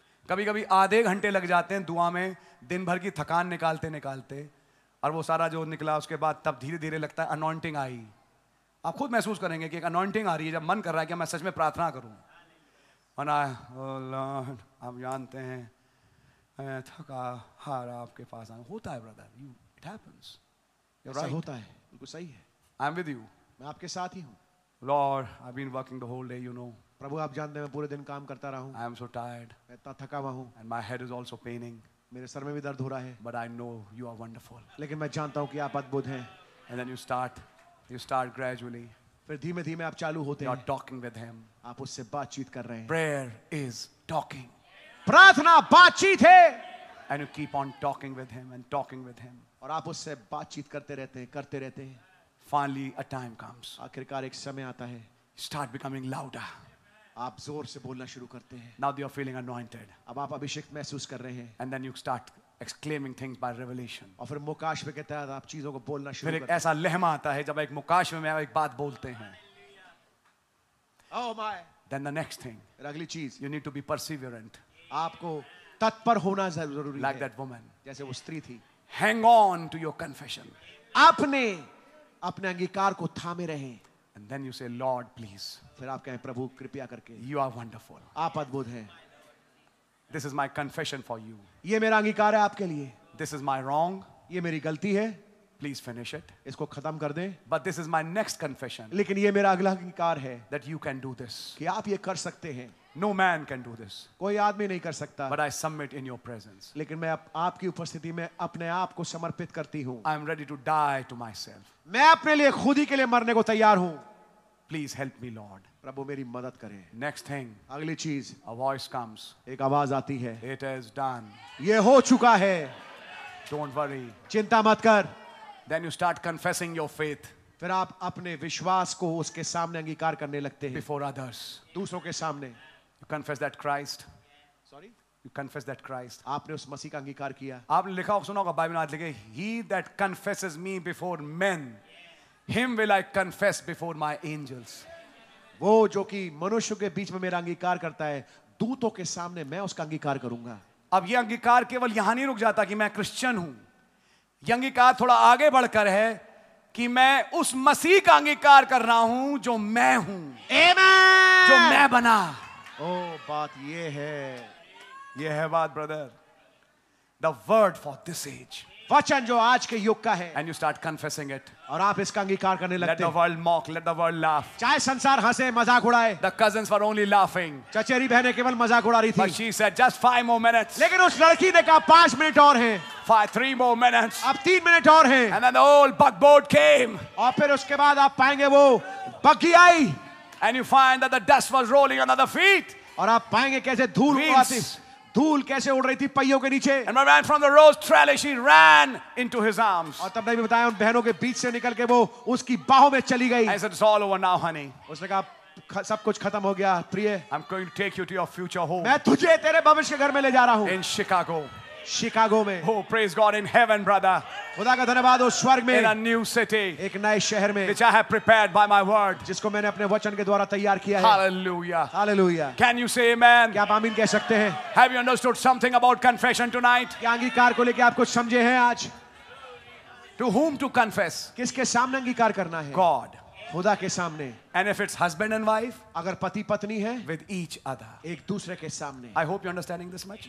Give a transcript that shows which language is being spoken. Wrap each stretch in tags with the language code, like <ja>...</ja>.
<hi>कभी कभी आधे घंटे लग जाते हैं दुआ में, दिन भर की थकान निकालते निकालते, और वो सारा जो निकला उसके बाद तब धीरे धीरे लगता है अनॉइंटिंग आई। आप खुद महसूस करेंगे कि एक अनॉइंटिंग आ रही है, जब मन कर रहा है कि मैं सच में प्रार्थना करूँ। वरना आप जानते हैं थका हारा आपके पास आ, होता है ब्रदर,</hi> <en>you it happens,</en> <hi>होता है, बिल्कुल सही है।</hi> <en>I am with you,</en> <hi>मैं आपके साथ ही हूँ।</hi> <en>Lord, I've been working the whole day, you know.</en> <hi>प्रभु आप जानते हैं मैं पूरे दिन काम करता रहा हूँ।</hi> <en>I am so tired.</en> <hi>मैं इतना थका हुआ हूँ।</hi> <en>And my head is also paining.</en> <hi>मेरे सर में भी दर्द हो रहा है।</hi> <en>But I know you are wonderful.</en> <hi>लेकिन मैं जानता हूँ कि आप अद्भुत हैं।</hi> <en>And then you start gradually.</en> <hi>फिर धीमे-धीमे आप चालू होते हैं।</hi> <en>You are talking with him.</en> <hi>आप उससे बातचीत कर रहे हैं।</hi> <en>Prayer is talking.</en> <hi>प्रार्थना बातचीत है।</hi> <en>And you keep on talking with him and talking with him.</en> <hi>और आप उससे बातचीत करते रहते हैं, करते रहते हैं।</hi> <en>Finally, a time comes.</en> <hi>आखिरकार एक समय आता है।</hi> <en>Start becoming louder.</en> <hi>आप जोर से बोलना शुरू करते हैं।</hi> <en>Now you are feeling anointed.</en> <hi>अब आप अभिषेक महसूस कर रहे हैं।</hi> <en>And then you start exclaiming things by revelation.</en> <hi>और फिर मुकाशवे के तहत आप चीजों को बोलना शुरू करते हैं। फिर ऐसा लहमा आता है जब एक मुकाशवे में आप एक बात बोलते हैं।</hi> <en>Oh my! Then the next thing.</en> <hi>अगली चीज।</hi> <en>You need to be perseverant.</en> <hi>आपको तत्पर होना जरूरी</hi> <en>like that woman.</en> <hi>जैसे वो स्त्री थी.</hi> <en>Hang on to your confession.</en> <hi>आपने अपने अंगीकार को थामे रहे.</hi> <en>And then you say, Lord, please.</en> <hi>फिर आप कहें प्रभु कृपया करके.</hi> <en>You are wonderful.</en> <hi>आप अद्भुत हैं.</hi> <en>This is my confession for you.</en> <hi>ये मेरा अंगीकार है आपके लिए.</hi> <en>This is my wrong.</en> <hi>ये मेरी गलती है.</hi> <en>Please finish it.</en> <hi>इसको खत्म कर दें.</hi> <en>But this is my next confession.</en> <hi>लेकिन ये मेरा अगला अंगीकार है.</hi> <en>That you can do this.</en> <hi>कि आप ये कर सकते हैं.</hi> <en>No man can do this.</en> <hi>कोई आदमी नहीं कर सकता.</hi> <en>But I submit in your presence.</en> <hi>लेकिन मैं आपकी उपस्थिति में अपने आप को समर्पित करती हूँ.</hi> <en>I am ready to die to myself.</en> <hi>मैं अपने लिए खुद ही के लिए मरने को तैयार हूँ.</hi> <en>Please help me, Lord.</en> <hi>प्रभु मेरी मदद करें.</hi> <en>Next thing.</en> <hi>अगली चीज.</hi> <en>A voice comes.</en> <hi>एक आवाज आती है.</hi> <en>It is done.</en> <hi>ये हो चुका है.</hi> <en>Don't worry.</en> <hi>चिंता मत कर.</hi> <en>Then you start confessing your faith.</en> <hi>फिर आप अपने विश्वास को उसके सामने अंगीकार करने लगते हैं.</hi> <en>Before others.</en> <hi>दूसरों के सामने.</hi> <en>You confess that Christ. Sorry. You confess that Christ.</en> <hi>आपने उस मसीह का अंगीकार किया. आपने लिखा होगा, सुना होगा बाइबल में, आज लिखे,</hi> <en>He that confesses me before men, him will I confess before my angels.</en> <hi>वो जो कि मनुष्यों के बीच में मेरा अंगीकार करता है, दूतों के सामने मैं उसका अंगीकार करूंगा. अब यह अंगीकार केवल यहां नहीं रुक जाता कि मैं क्रिश्चियन हूं. यह अंगीकार थोड़ा आगे बढ़कर है कि मैं उस मसीह का अंगीकार कर रहा हूं जो मैं हूं.</hi> <en>Amen.</en> <hi>जो मैं बना. ओ, बात यह है बात brother.</hi> <en>The word for this age.</en> <hi>वचन जो आज के युग का है.</hi> <en>And you start confessing it.</en> <hi>और आप इसका अंगीकार करने लगते.</hi> <en>Let the world mock, let the world laugh.</en> <hi>चाहे संसार हंसे, मजाक उड़ाए.</hi> <en>The cousins were only laughing.</en> <hi>चचेरी बहनें केवल मजाक उड़ा रही थी.</hi> <en>But she said just 5 more minutes.</en> <hi>लेकिन उस लड़की ने कहा 5 मिनट और हैं.</hi> <en>3 more minutes.</en> <hi>अब 3 मिनट और हैं.</hi> <en>And then the old bug boat came.</en> <hi>और फिर उसके बाद आप पाएंगे वो बग्गी आई.</hi> <en>And you find that the dust was rolling on the feet.</en> <hi>और आप पाएंगे कैसे धूल आती, धूल कैसे उड़ रही थी पहियों के नीचे.</hi> <en>And my man from the rose trellis, she ran into his arms.</en> <hi>और तब नहीं बताया, उन बहनों के बीच से निकल के वो उसकी बाहों में चली गई.</hi> <en>I said, it's all over now, honey.</en> <hi>उसने कहा, सब कुछ खत्म हो गया प्रिय.</hi> <en>I'm going to take you to your future home.</en> <hi>मैं तुझे तेरे भविष्य के घर में ले जा रहा हूँ.</hi> <en>In Chicago.</en> <hi>शिकागो में.</hi> <en>Oh, praise God in heaven, brother.</en> <hi>खुदा का धन्यवाद उस स्वर्ग में.</hi> <en>In a new city.</en> <hi>एक नए शहर में.</hi> <en>Which I have prepared by my word.</en> <hi>जिसको मैंने अपने वचन के द्वारा तैयार किया है.</hi> <en>Hallelujah. Hallelujah. Can you say amen?</en> <hi>क्या आप आमीन कह सकते हैं?</hi> <en>Have you understood something about confession tonight?</en> <hi>क्या अंगीकार को लेके आप कुछ समझे हैं आज?</hi> <en>To whom to confess?</en> <hi>किसके सामने अंगीकार करना है?</hi> <en>God.</en> <hi>खुदा के सामने.</hi> <en>And if it's husband and wife,</en> <hi>अगर पति पत्नी है,</hi> <en>with each other,</en> <hi>एक दूसरे के सामने.</hi> <en>I hope you're understanding this much.</en>